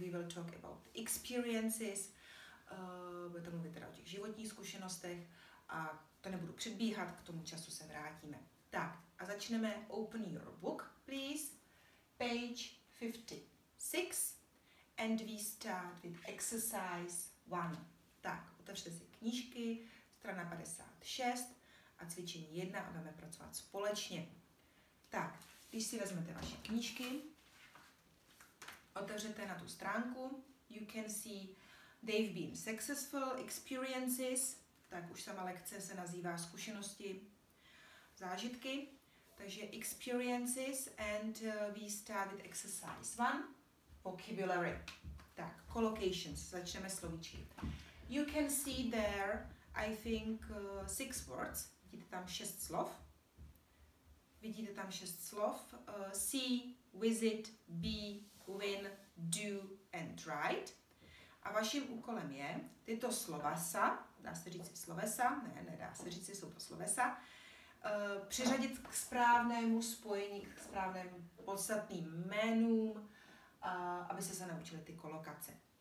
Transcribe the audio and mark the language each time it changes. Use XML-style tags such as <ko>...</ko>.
<en>We will talk about experiences.</en> <cs>Budete mluvit teda o těch životních zkušenostech a to nebudu předbíhat, k tomu času se vrátíme.</cs> <en>Tak a začneme. Open your book, please. Page 56. And we start with exercise one.</en> <cs>Tak, otevřte si knížky, strana 56 a cvičení 1 a budeme pracovat společně. Tak, když si vezmete vaše knížky, otevřete na tu stránku, you can see they've been successful experiences, tak už sama lekce se nazývá zkušenosti, zážitky, takže experiences and we start with exercise one. Vocabulary. Tak, collocations, začneme slovíčky.</cs> <en>You can see there, I think, six words.</en> <cs>Vidíte tam šest slov. Vidíte tam šest slov.</cs> <en>See, visit, be, win, do and write.</en> <cs>A vaším úkolem je tyto slovesa, dá se říct slovesa, ne, nedá se říct, jsou to slovesa, přiřadit k správnému spojení, k správným podstatným jménům, aby se naučili ty kolokace.</cs>